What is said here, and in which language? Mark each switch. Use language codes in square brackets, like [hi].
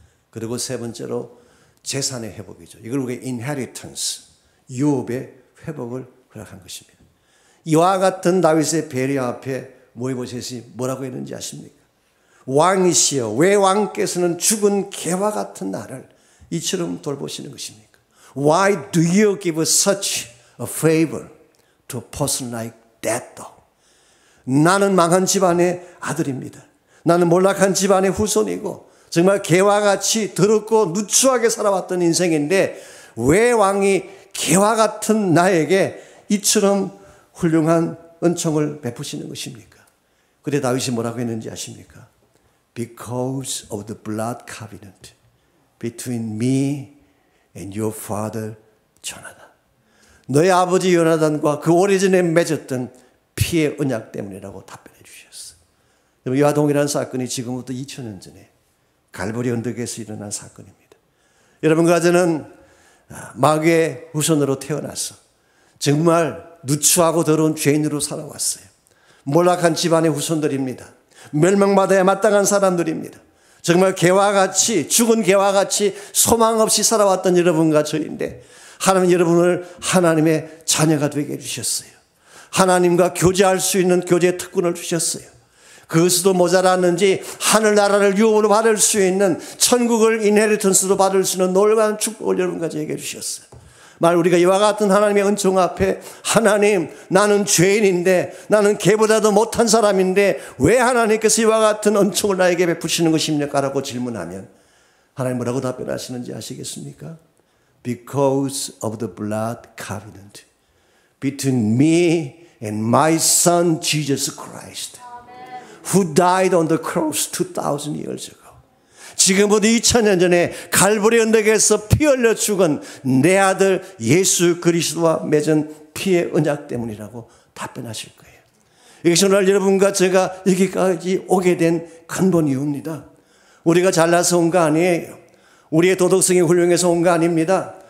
[ko] 그리고 세 번째로 재산의 회복이죠. 이걸 우리 inheritance, 유업의 회복을 허락한 것입니다. 이와 같은 다윗의 배려 앞에 므비보셋이 뭐라고 했는지 아십니까? 왕이시여, 왜 왕께서는 죽은 개와 같은 나를 이처럼 돌보시는 것입니까? [en] Why do you give such a favor to a person like that dog? [ko] 나는 망한 집안의 아들입니다. 나는 몰락한 집안의 후손이고 정말 개와 같이 더럽고 누추하게 살아왔던 인생인데 왜 왕이 개와 같은 나에게 이처럼 훌륭한 은총을 베푸시는 것입니까? 그때 다윗이 뭐라고 했는지 아십니까? [en] Because of the blood covenant between me and your father, Jonathan. [ko] 너의 아버지 요나단과 그 오래전에 맺었던 피의 언약 때문이라고 답변해 주셨어. 이와 동일한 사건이 지금부터 2000년 전에 갈보리 언덕에서 일어난 사건입니다. 여러분 가제는 마귀의 후손으로 태어나서 정말 누추하고 더러운 죄인으로 살아왔어요. 몰락한 집안의 후손들입니다. 멸망받아야 마땅한 사람들입니다. 정말 개와 같이 죽은 개와 같이 소망 없이 살아왔던 여러분과 저인데 하나님은 여러분을 하나님의 자녀가 되게 해주셨어요. 하나님과 교제할 수 있는 교제의 특권을 주셨어요. 그것도 모자랐는지 하늘나라를 유업으로 받을 수 있는 천국을 인헤리턴스로 받을 수 있는 놀라운 축복을 여러분과 저에게 주셨어요. 말 우리가 이와 같은 하나님의 은총 앞에 하나님 나는 죄인인데 나는 개보다도 못한 사람인데 왜 하나님께서 이와 같은 은총을 나에게 베푸시는 것입니까? 라고 질문하면 하나님 뭐라고 답변하시는지 아시겠습니까? [en] Because of the blood covenant between me and my son Jesus Christ who died on the cross 2000 years ago. [ko] 지금부터 2000년 전에 갈보리 언덕에서 피 흘려 죽은 내 아들 예수 그리스도와 맺은 피의 언약 때문이라고 답변하실 거예요. 이것이 오늘 여러분과 제가 여기까지 오게 된 근본 이유입니다. 우리가 잘나서 온 거 아니에요. 우리의 도덕성이 훌륭해서 온 거 아닙니다.